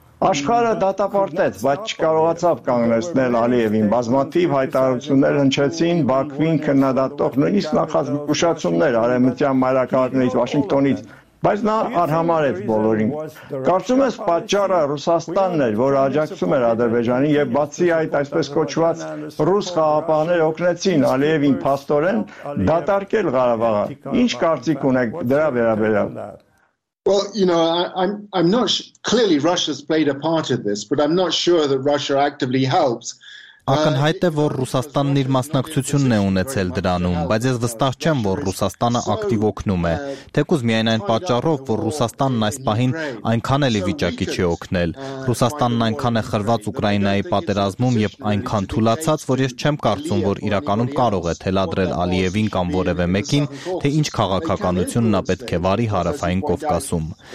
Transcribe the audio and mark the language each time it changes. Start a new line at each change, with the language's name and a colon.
Armenian: Աշխարհը դատապարտեց, բայց չկարողացավ կանգնեցնել Ալիևին։ Բազմաթիվ հայտարարություններ հնչեցին Բաքվին քննադատող նույնիսկ նախազգուշացումներ արևմտյան մայրաքաղաքներից, Վաշինգտոնից, բայց նա արհամարեց բոլորին։ Կարծում ես պատճառը Ռուսաստանն էր, որ աջակցում էր Ադրբեջանին, և բացի այդ, այսպես կոչված ռուս խաղապահները օգնեցին Ալիևին փաստորեն դատարկել Ղարաբաղը։ Ինչ կարծիք ունեք դրա վերաբերյալ։
English: Well, you know, I'm not clearly Russia's played a part of this, but I'm not sure that Russia actively helps.
Armenian: Ակնհայտ է, որ Ռուսաստանն իր մասնակցությունն է ունեցել դրանում, բայց ես վստահ չեմ, որ Ռուսաստանը ակտիվ օգնում է, թեկուզ միայն այն պատճառով, որ Ռուսաստանն այս պահին այնքան էլ վիճակի չի օգնել։ Ռուսաստանն այնքան է խրված Ուկրաինայի պատերազմում և այնքան թուլացած, որ ես չեմ կարծում, որ իրականում կարող է թելադրել Ալիևին կամ որևէ մեկին, թե ինչ քաղաքականություն նա պետք է վարի հարավային Կովկասում։